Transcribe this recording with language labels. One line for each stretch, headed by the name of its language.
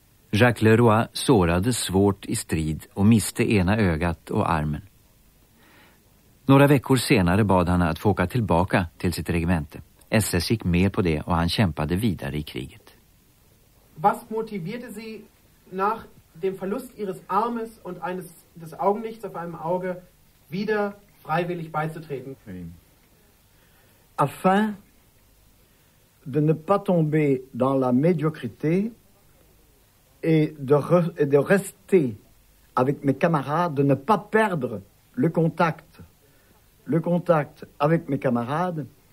Swedish: Jacques Leroy sårades svårt i strid och miste ena ögat och armen. Några veckor senare bad han att få åka tillbaka till sitt regemente. SS gick med på det och han kämpade vidare i kriget.
German: Was motivierte sie nach dem Verlust ihres Armes und eines des Augenlichts auf einem Auge wieder freiwillig beizutreten?
French: Afin de ne pas tomber dans la médiocrité et de rester avec mes camarades, de ne pas perdre le contact avec mes camarades.